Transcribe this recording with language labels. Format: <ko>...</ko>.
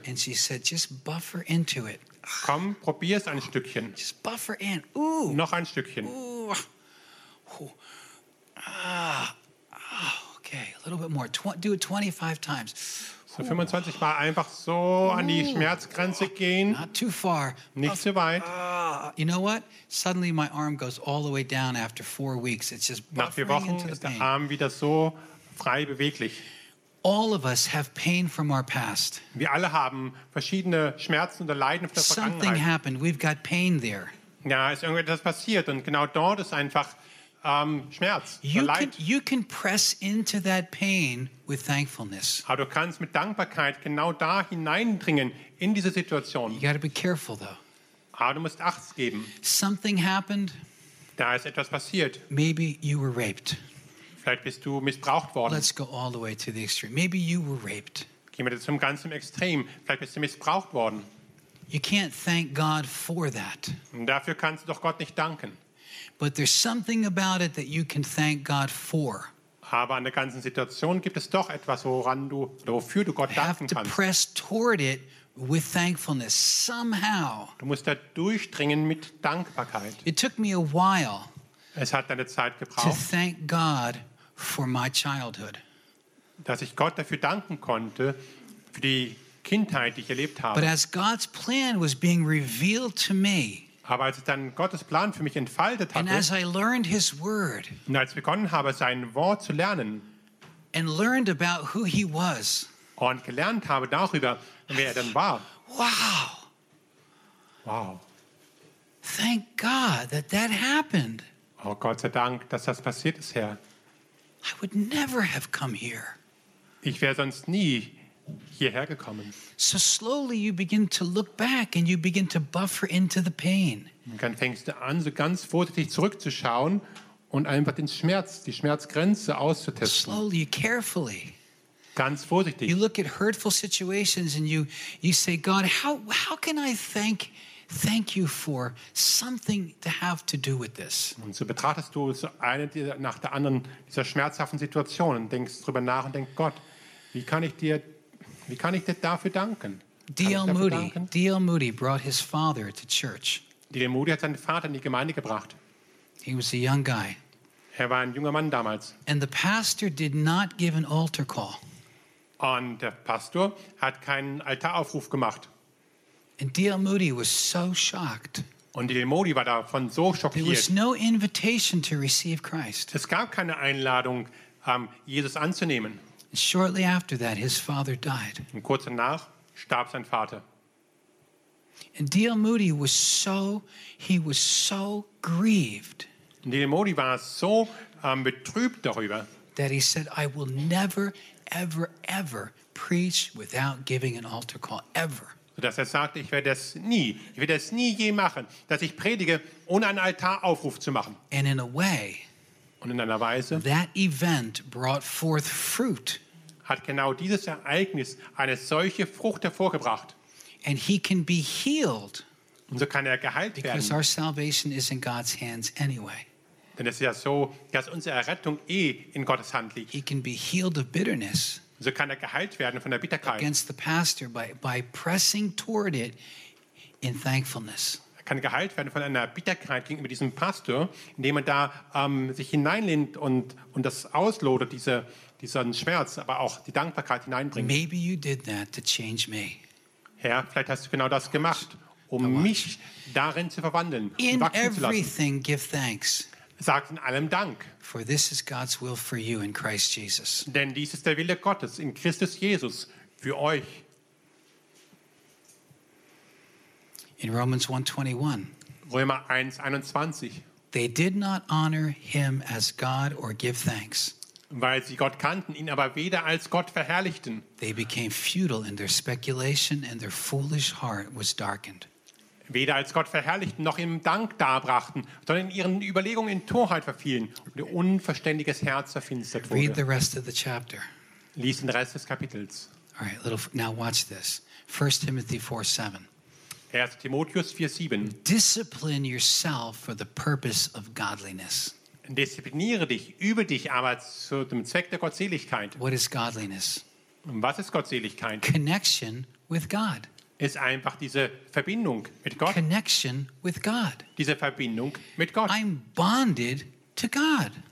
<en>And she said, just buffer into it.</en> <de>Komm, probier es ein Stückchen.</de> <en>Just buffer in. Ooh.</en> <de>Noch ein Stückchen.</de> <en>Ooh. Ooh. Ah. Okay, a little bit more. Do it 25 times.</en> <de>So 25 Mal einfach so an die Schmerzgrenze gehen.</de> <en>Not too far.</en> <de>Nicht zu weit.</de> <en>You know what? Suddenly my arm goes all the way down after 4 weeks. It's just buffering.</en> <de>Nach 4 Wochen ist der Arm wieder so frei beweglich.</de> <en>All of us have pain from our past.</en> <de>Wir alle haben verschiedene Schmerzen oder Leiden von der Vergangenheit.</de> <en>Something happened. We've got pain there.</en> <de>Ja, ist irgendetwas passiert und genau dort ist einfach Schmerz oder Leid.</de> <en>You can press into that pain with thankfulness.</en> <de>Aber du kannst mit Dankbarkeit genau da hineindringen in diese Situation.</de> <en>You gotta be careful though.</en> <de>Aber du musst Acht geben.</de> <en>Something happened.</en> <de>Da ist etwas passiert.</de> <en>Maybe you were raped.</en> <de>Vielleicht bist du missbraucht worden.</de> <en>Let's go all the way to the extreme. Maybe you were raped.</en> <de>gehen wir zum ganzen Extrem, vielleicht bist du missbraucht worden.</de> <en>You can't thank God for that.</en> <de>Und dafür kannst du doch Gott nicht danken.</de> <en>But there's something about it that you can thank God for.</en> <de>Aber an der ganzen Situation gibt es doch etwas, woran du, wofür du Gott danken kannst.</de> <en>Press toward it with thankfulness somehow.</en> <de>Du musst da durchdringen mit Dankbarkeit.</de> <en>It took me a while.</en> <de>Es hat eine Zeit gebraucht.</de> <en>To thank God for my childhood.</en> <de>Dass ich Gott dafür danken konnte für die Kindheit, die ich erlebt habe.</de> <en>But as God's plan was being revealed to me.</en> <de>Aber als ich dann Gottes Plan für mich entfaltet hatte,</de> <en>and as I learned his word,</en> <de>und als ich begonnen habe, sein Wort zu lernen,</de> <en>and learned about who he was,</en> <de>und gelernt habe darüber, wer er denn war,</de> <en>wow, wow, thank God that that happened.</en> <de>Oh Gott sei Dank, dass das passiert ist, Herr.</de> <en>I would never have come here.</en> <de>Ich wäre sonst nie hierher gekommen.</de> <en>So slowly you begin to look back and you begin to buffer into the pain.</en> <de>Und dann fängst du an, so ganz vorsichtig zurückzuschauen und einfach den Schmerz, die Schmerzgrenze auszutesten.</de> <en>Slowly, carefully.</en> <de>Ganz vorsichtig.</de> <en>You look at hurtful situations and you say, God, how can I thank you for something to have to do with this?</en> <de>Und so betrachtest du so eine nach der anderen dieser schmerzhaften Situationen und denkst drüber nach und denkst, Gott, wie kann ich dir dafür danken?</de> <en>D.L. Moody brought his father to church.</en> <de>D.L. Moody hat seinen Vater in die Gemeinde gebracht.</de> <en>He was a young guy.</en> <de>Er war ein junger Mann damals.</de> <en>And the pastor did not give an altar call.</en> <de>Und der Pastor hat keinen Altaraufruf gemacht.</de> <en>And D.L. Moody was so shocked.</en> <de>Und D.L. Moody war davon so schockiert.</de> <en>There was no invitation to receive Christ.</en> <de>Es gab keine Einladung, Jesus anzunehmen.</de> <en>Shortly after that, his father died.</en> <de>Und kurz danach starb sein Vater.</de> <en>And D.L. Moody was so grieved.</en> <de>Und D.L. Moody war so betrübt darüber.</de> <en>That he said, "I will never, ever, ever preach without giving an altar call ever."</en> <de>Dass er sagte, ich werde es nie machen, dass ich predige, ohne einen Altaraufruf zu machen.</de> <en>And in a way,</en> <de>und in einer Weise,</de> <en>that event brought forth fruit.</en> <de>Hat genau dieses Ereignis eine solche Frucht hervorgebracht.</de> <en>And he can be healed.</en> <de>Und so kann er geheilt werden.</de> <en>Because our salvation is in God's hands anyway.</en> <de>Denn es ist ja so, dass unsere Errettung eh in Gottes Hand liegt.</de> <en>He can be healed of bitterness.</en> <de>So kann er geheilt werden von der Bitterkeit.</de> <en>Against the pastor by pressing toward it in thankfulness.</en> <de>Er kann geheilt werden von einer Bitterkeit gegenüber diesem Pastor, indem er da sich hineinlehnt und das auslodert, diesen Schmerz, aber auch die Dankbarkeit hineinbringt.</de> <en>Maybe you did that to change me.</en> <de>Herr, vielleicht hast du genau das gemacht, um mich darin zu verwandeln, in wachsen zu lassen.</de> <en>Everything give thanks.</en> <de>Sagt in allem Dank.</de> <en>For this is God's will for you in Christ Jesus.</en> <de>Denn dies ist der Wille Gottes in Christus Jesus für euch.</de> <en>In Romans 1:21.</en> <de>Römer 1:21.</de> <en>They did not honor him as God or give thanks.</en> <de>Weil sie Gott kannten, ihn aber weder als Gott verherrlichten.</de> <en>They became futile in their speculation and their foolish heart was darkened.</en> <de>Weder als Gott verherrlichten noch ihm Dank darbrachten, sondern in ihren Überlegungen in Torheit verfielen und ihr unverständiges Herz verfinstert wurde.</de> <en>Read the rest of the chapter.</en> <de>Lies den Rest des Kapitels.</de> <en>All right, now watch this. 1 Timothy 4:7.</en> <de>1. Timotheus 4:7.</de> <en>Discipline yourself for the purpose of godliness.</en> <de>Diszipliniere dich, übe dich aber zu dem Zweck der Gottseligkeit.</de> <en>What is godliness?</en> <de>Und was ist Gottseligkeit?</de> <en>Connection with God.</en> <de>Ist einfach diese Verbindung mit Gott.</de> <en>Connection with God.</en> <de>Diese Verbindung mit Gott.</de> <en>I'm bonded to God.</en>